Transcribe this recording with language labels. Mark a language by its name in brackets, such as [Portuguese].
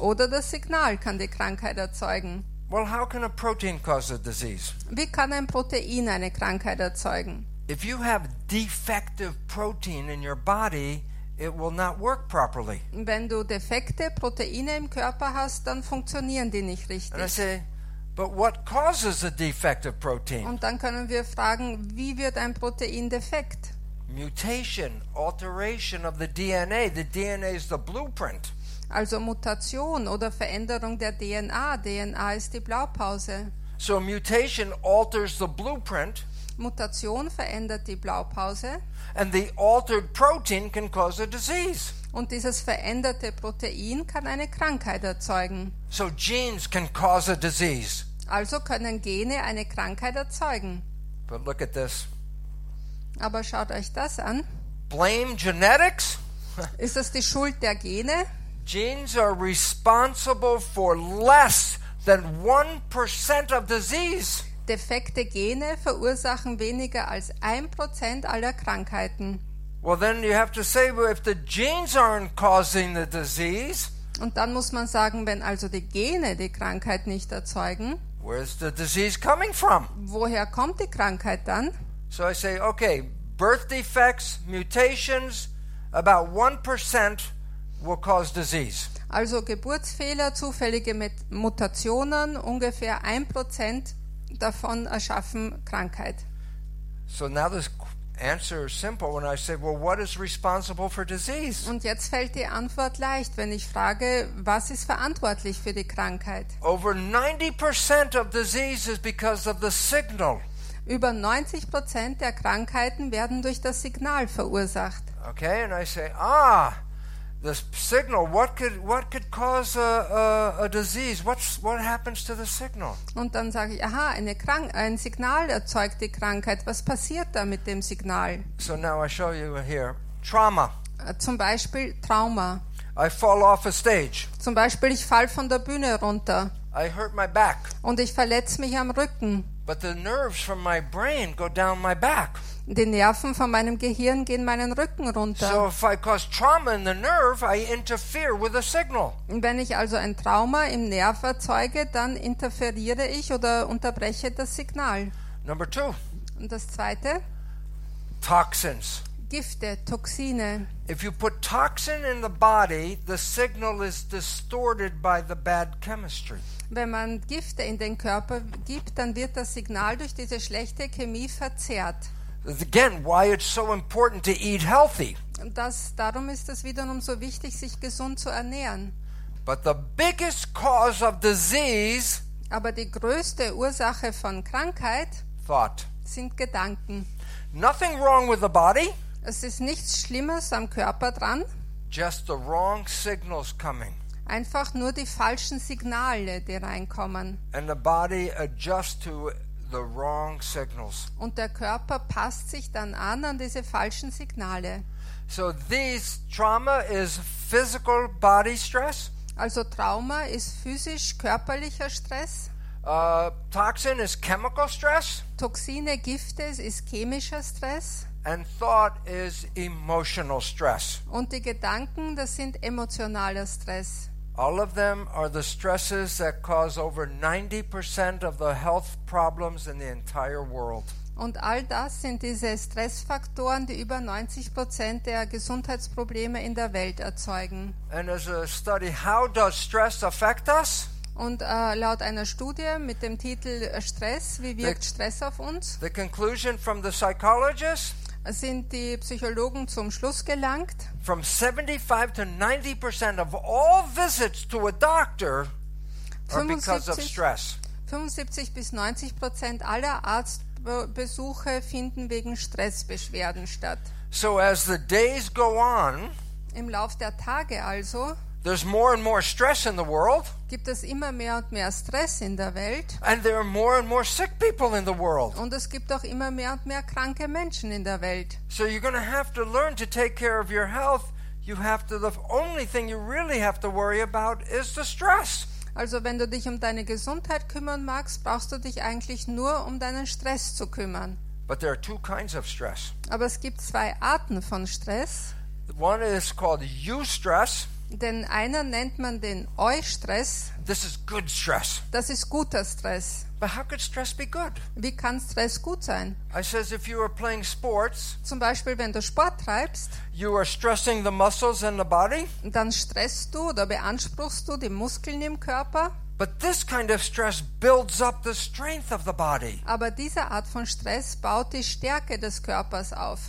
[German] Oder das Signal kann die Krankheit erzeugen. [English] Well, how can a protein cause a disease? [German] Wie kann ein Protein eine Krankheit erzeugen? [English] If you have defective protein in your body, it will not work properly. [German] Wenn du defekte Proteine im Körper hast, dann funktionieren die nicht richtig. [English] But what causes a defective protein? [German] Und dann können wir fragen, wie wird ein Protein defekt? [English] Mutation, alteration of the DNA. The DNA is the blueprint. [German] Also Mutation oder Veränderung der DNA. DNA ist die Blaupause. [English] So mutation alters the blueprint. [German] Mutation verändert die Blaupause. [English] And the altered protein can cause a disease. [German] Und dieses veränderte Protein kann eine Krankheit erzeugen. [English] So genes can cause a disease. [German] Also können Gene eine Krankheit erzeugen. [English] But look at this. [German] Aber schaut euch das an. [English] Blame genetics? [German] Ist das die Schuld der Gene? [English] Genes are responsible for less than 1% of disease. [German] Defekte Gene verursachen weniger als 1% aller Krankheiten. [English] Well, then you have to say, well, if the genes aren't causing the disease, [German] und dann muss man sagen, wenn also die Gene die Krankheit nicht erzeugen, [English] where's the disease coming from? [German] Woher kommt die Krankheit dann? [English] So I say, okay, birth defects, mutations, about 1% will cause disease. [German] Also Geburtsfehler, zufällige Mutationen, ungefähr 1% davon erschaffen Krankheit. [English] So now this answer is simple when I say, well, what is responsible for disease? [German] Und jetzt fällt die Antwort leicht, wenn ich frage, was ist verantwortlich für die Krankheit? [English] Over 90% of disease is because of the signal. [German] Über 90% der Krankheiten werden durch das Signal verursacht. [English] Okay, and I say, ah, the signal, what could cause a disease? What happens to the signal? [German] Und dann sage ich, aha, ein Signal erzeugt die Krankheit. Was passiert da mit dem Signal? [English] So now I show you here, trauma. [German] Zum Beispiel Trauma. [English] I fall off a stage. [German] Zum Beispiel, ich fall von der Bühne runter. [English] I hurt my back. [German] Und ich verletze mich am Rücken. [English] But the nerves from my brain go down my back. [German] Die Nerven von meinem Gehirn gehen meinen Rücken runter. [English] So if I cause trauma in the nerve, I interfere with the signal. [German] Wenn ich also ein Trauma im Nerv erzeuge, dann interferiere ich oder unterbreche das Signal. [English] Number two. [German] Und das zweite? [English] Toxins. [German] Gifte, Toxine. [English] If you put toxin in the body, the signal is distorted by the bad chemistry. [German] Wenn man Gifte in den Körper gibt, dann wird das Signal durch diese schlechte Chemie verzerrt. [English] Again, why it's so important to eat healthy. [German] Darum ist es wiederum so wichtig, sich gesund zu ernähren. [English] But the biggest cause of disease, [German] Aber die größte Ursache von Krankheit [English] Thought. [German] Sind Gedanken. [English] Nothing wrong with the body. [German] Es ist nichts Schlimmes am Körper dran. [English] Just the wrong signals coming. [German] Einfach nur die falschen Signale, die reinkommen. [English] And the body adjusts to the wrong signals. [German] Und der Körper passt sich dann an diese falschen Signale. [English] So this trauma is physical body stress. [German] Also Trauma ist physisch körperlicher Stress. [English] Toxin is chemical stress. [German] Toxine, Gifte ist chemischer Stress. [English] And thought is emotional stress. [German] Und die Gedanken, das sind emotionaler Stress. [English] All of them are the stresses that cause over 90% of the health problems in the entire world. [German] Und all das sind diese Stressfaktoren, die über 90% der Gesundheitsprobleme in der Welt erzeugen. [English] And as a study, how does stress affect us? [German] Und laut einer Studie mit dem Titel Stress, wie wirkt Stress auf uns? [English] The conclusion from the psychologists? [German] Sind die Psychologen zum Schluss gelangt? [English] From 75-90% of all visits to a doctor are because of stress. [German] 75-90% aller Arztbesuche finden wegen Stressbeschwerden statt. [English] So as the days go on, [German] im Lauf der Tage also, [English] there's more and more stress in the world. [German] Gibt es immer mehr und mehr Stress in der Welt? [English] And there are more and more sick people in the world. [German] Und es gibt auch immer mehr und mehr kranke Menschen in der Welt. [English] So you're going to have to learn to take care of your health. You have to. The only thing you really have to worry about is the stress. [German] Also wenn du dich um deine Gesundheit kümmern magst, brauchst du dich eigentlich nur um deinen Stress zu kümmern. [English] But there are two kinds of stress. [German] Aber es gibt zwei Arten von Stress. [English] One is called eustress. [German] Denn einer nennt man den Eustress. [English] This is good stress. [German] Das ist guter Stress. [English] But how could stress be good? [German] Wie kann Stress gut sein? [English] I says if you are playing sports, [German] zum Beispiel wenn du Sport treibst, [English] you are stressing the muscles in the body. [German] Dann stresst du oder beanspruchst du die Muskeln im Körper. [English] But this kind of stress builds up the strength of the body. [German] Aber diese Art von Stress baut die Stärke des Körpers auf.